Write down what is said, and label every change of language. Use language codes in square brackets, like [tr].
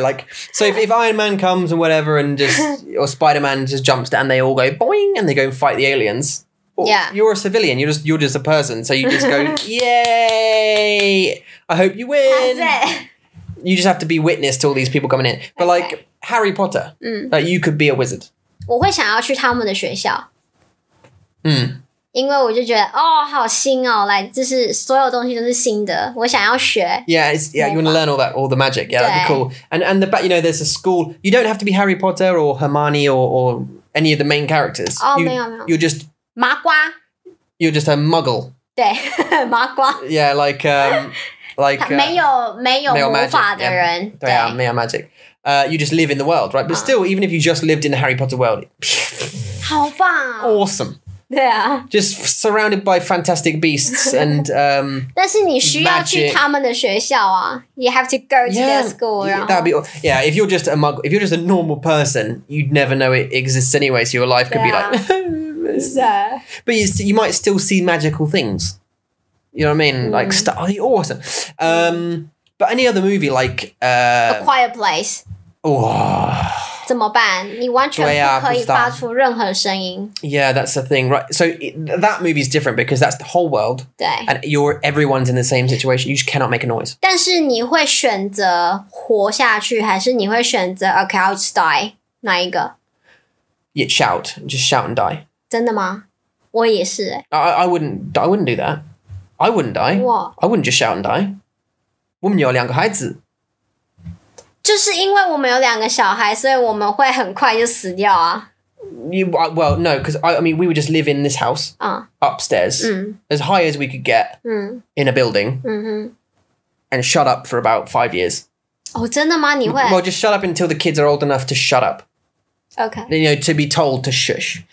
[en] Like, so if Iron Man comes and whatever and just, or Spider-Man just jumps down, they all go boing and they go and fight the aliens. Yeah. You're a civilian, you're just a person, so you just go, yay, I hope you win. That's it. You just have to be witness to all these people coming in. But okay. Like, Harry Potter, like, you could be a wizard. [zh] 我会想要去他们的学校。嗯。因为我就觉得，哦，好新哦，来，就是所有东西都是新的，我想要学。 [en] Yeah, you want to learn all the magic, yeah, that'd be cool. And the, you know, there's a school, you don't have to be Harry Potter or Hermione or any of the main characters. [zh] Oh, 没有没有。 [en] You're just... [zh] 麻瓜 [en] You're just a muggle. [zh] 对，麻瓜 [en] Yeah, like [zh] 没有魔法的人 [en] yeah. [zh] 对啊，没有 [en] magic. You just live in the world, right? But still, even if you just lived in the Harry Potter world, [zh] 好棒 [en] Awesome. [zh] 对啊 [en] Just surrounded by fantastic beasts and [zh] 但是你需要去他们的学校啊 [en] You have to go to their school. Yeah, that'd be, yeah, if you're just a muggle, if you're just a normal person, you'd never know it exists anyway, so your life could be like... But you might still see magical things. You know what I mean? Like, awesome. But any other movie like... A Quiet Place. Oh. [zh] 怎么办? 你完全不可以发出任何声音。 [en] Yeah, that's the thing. Right. So that movie is different because that's the whole world. [zh] 对。 [en] And everyone's in the same situation. You just cannot make a noise. [zh] 但是你会选择活下去还是你会选择 [en] Okay, I'll just die. [zh] 哪一个? [en] Yeah, shout. Just shout and die. [zh] 真的吗？我也是欸。 [en] I wouldn't do that. I wouldn't die. What? I wouldn't just shout and die. [zh] 我们有两个孩子。就是因为我们有两个小孩，所以我们会很快就死掉啊。 [en] Well, no, because I mean, we would just live in this house, upstairs, as high as we could get, in a building, and shut up for about 5 years. [zh] Oh, 真的吗？你会？ [en] Well, just shut up until the kids are old enough to shut up. Okay. You know, to be told to shush.